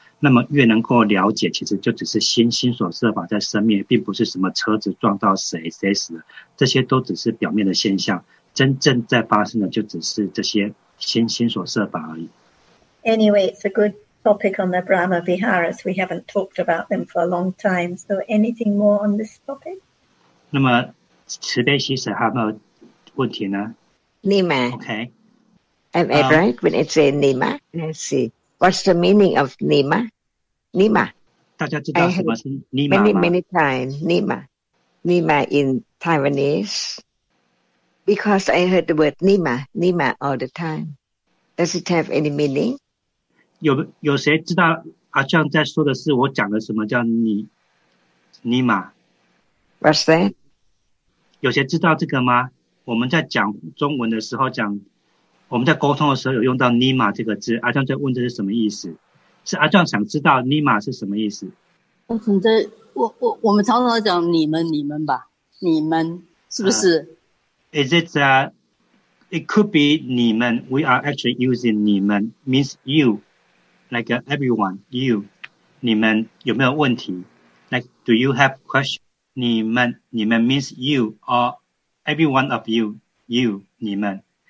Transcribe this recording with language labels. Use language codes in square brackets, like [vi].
[zh] 那么越能够了解，其实就只是心所设法在生灭，并不是什么车子撞到谁死了，这些都只是表面的现象，真正在发生的就只是这些心所设法而已。 [en] Anyway, it's a good topic on the Brahma Viharas. We haven't talked about them for a long time. So anything more on this topic? [zh] 那么慈悲喜舍还有没有问题呢？Nima. [en] Okay. Am I right when it's a Nima? Let's see. What's the meaning of Nima? Nima. [zh] 大家知道什么是 Nima 吗 [en] ？Many many times, Nima. Nima in Taiwanese. Because I heard the word Nima all the time. Does it have any meaning? [zh] 有谁知道阿酱在说的是我讲的什么叫 Nima? [en] What's that? [zh] 有谁知道这个吗？我们在讲中文的时候讲。我们在沟通的时候有用到 Nima 这个字，阿壮在问这是什么意思？是阿壮想知道 Nima 是什么意思？我们常常讲你们吧，你们是不是 [en] ？Is it that it could be 你们 ？We are actually using 你们 means you, like everyone you. [zh] 你们有没有问题 [en] ？Like do you have question? 你们 means you or everyone of you. You 你们。